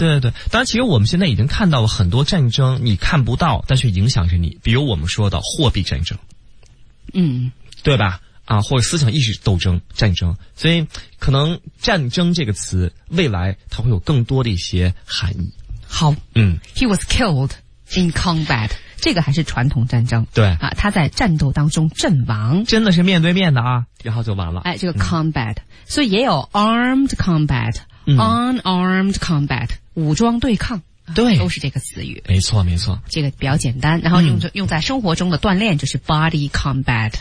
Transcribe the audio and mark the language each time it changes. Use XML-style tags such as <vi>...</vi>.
<zh>对对对，当然其实我们现在已经看到了很多战争，你看不到但却影响着你，比如我们说的货币战争，嗯，对吧，啊，或者思想意识斗争战争，所以可能战争这个词未来它会有更多的一些含义。好，嗯，</zh> <en>He was killed in combat，</en> <zh>这个还是传统战争，对啊，他在战斗当中阵亡，真的是面对面的啊，然后就完了。哎，这个 combat，所以也有</zh> <en>armed combat，unarmed combat，</en> <zh>武装对抗，对，都是这个词语。没错，没错，这个比较简单。然后用在生活中的锻炼就是</zh> <en>body combat。</en>